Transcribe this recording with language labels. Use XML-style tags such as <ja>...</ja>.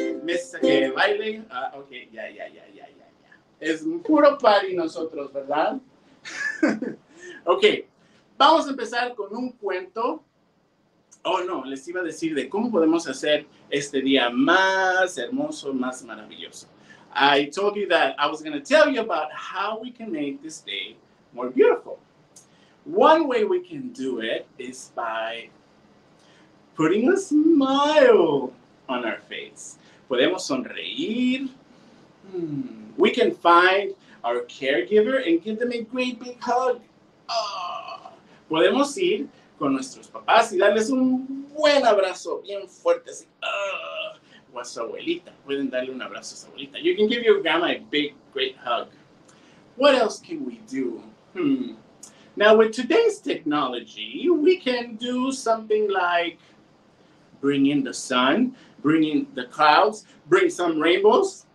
<es>Mesa que baile. Ok, ya. Es un puro party nosotros, ¿verdad? Ok, vamos a empezar con un cuento. Oh, no, les iba a decir de cómo podemos hacer este día más hermoso, más maravilloso.</es> <en>I told you that I was going to tell you about how we can make this day more beautiful. One way we can do it is by putting a smile on our face.</en> <es>Podemos sonreír.</es> <en>We can find our caregiver and give them a great big hug. Oh.</en> <es>Podemos ir con nuestros papás y darles un buen abrazo bien fuerte. Así. Oh. O a su abuelita. Pueden darle un abrazo a su abuelita.</es> <en>You can give your grandma a big, great hug. What else can we do? Now, with today's technology, we can do something like bring in the sun, bring in the clouds, bring some rainbows.</en>